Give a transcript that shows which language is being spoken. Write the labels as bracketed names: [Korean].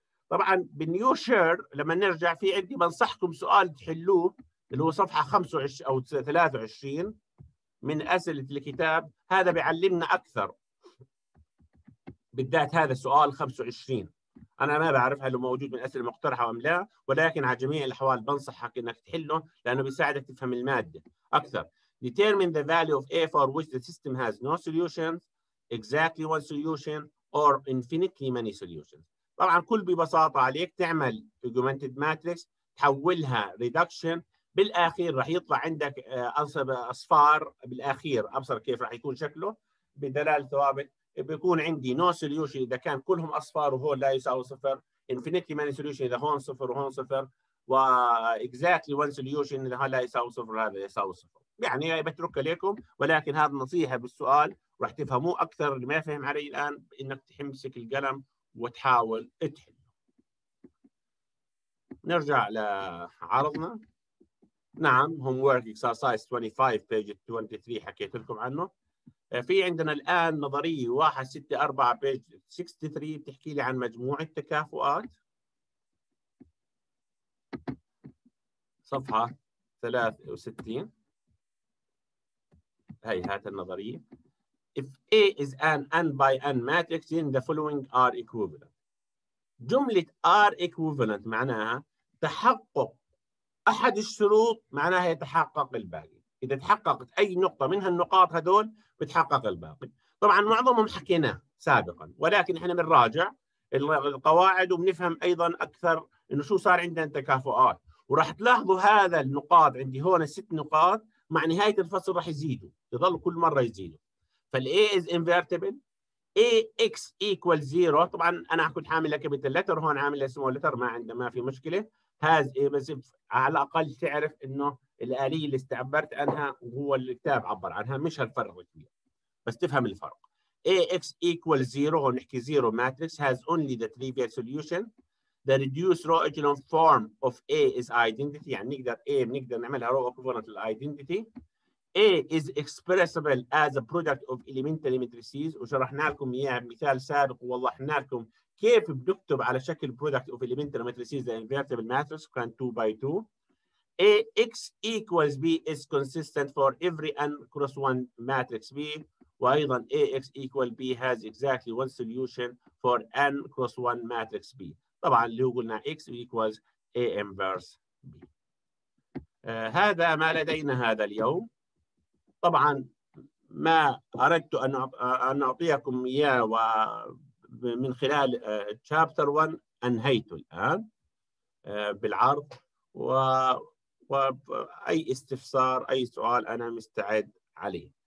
[Arabic] طبعا بالنيو شير لما نرجع في عندي بنصحكم سؤال تحلوه اللي هو صفحه 25 او 23 من اسئله الكتاب, هذا بيعلمنا اكثر بالذات هذا السؤال 25. انا ما بعرف هل هو موجود من اسئله مقترحه ام لا, ولكن على جميع الاحوال بنصحك انك تحله لانه بيساعدك تفهم الماده اكثر. [English] Determine the value of a for which the system has no solutions, exactly one solution or infinitely many solutions. [Arabic] طبعا كل ببساطة عليك تعمل augmented matrix تحولها reduction, بالأخير رح يطلع عندك أصفار بالأخير أبصر كيف رح يكون شكله بدلال ثوابت. بيكون عندي [English] no solution [Arabic] إذا كان كلهم أصفار وهون لا يساوي صفر, [English] infinitely many solution [Arabic] إذا هون صفر وهون صفر, و [English] exactly one solution [Arabic] إذا هون لا يساوي صفر هذا يساوي صفر. يعني بترك عليكم, ولكن هذا نصيحة بالسؤال رح تفهموه أكثر. اللي ما فهم علي الآن إنك تحمسك القلم وتحاول تحل. نرجع لعرضنا. نعم [English] homework exercise 25 page 23 [Arabic] حكيت لكم عنه. في عندنا الآن نظرية 164 page 63 بتحكي لي عن مجموعة تكافؤات صفحة 63. هاي هات النظرية. [English] If A is an n by n matrix, then the following are equivalent. [Arabic] جملة [English] are equivalent [Arabic] معناها تحقق أحد الشروط معناها يتحقق الباقي. إذا تحققت أي نقطة من هالنقاط هذول بتحقق الباقي. طبعاً معظمهم حكيناه سابقاً, ولكن إحنا بنراجع القواعد وبنفهم أيضاً أكثر إنه شو صار عندنا تكافؤات. وراح تلاحظوا هذا النقاط عندي هون الست نقاط مع نهاية الفصل راح يزيدوا, يظل كل مرة يزيدوا. [English] فالA is invertible, AX equals zero. [Arabic] طبعاً أنا كنت حامل لك بيتل لتر هون عامل لسمو لتر ما عنده ما في مشكلة. هذا بس على الأقل تعرف إنه الآلية اللي استعبرت عنها وهو الكتاب عبر عنها مش هالفرق كبير, بس تفهم الفرق. [English] AX equals zero [Arabic] هون نحكي [English] zero matrix has only the trivial solution. The reduced row echelon form of A is identity. [Arabic] يعني نقدر A بنقدر نعملها row equivalent للidentity. [English] A is expressible as a product of elementary matrices. [Arabic] وشرحنا لكم إياها بمثال سابق ووضحنا لكم كيف بنكتب على شكل [English] product of elementary matrices the invertible matrix can 2 by 2. A x equals b is consistent for every n cross 1 matrix b. [Arabic] وأيضا [English] A x equals b has exactly one solution for n cross 1 matrix b. [Arabic] طبعا اللي قلنا x equals a inverse b. هذا ما لدينا هذا اليوم. طبعا ما اردت ان اعطيكم اياه ومن خلال تشابتر 1 انهيته الان بالعرض, واي استفسار اي سؤال انا مستعد عليه.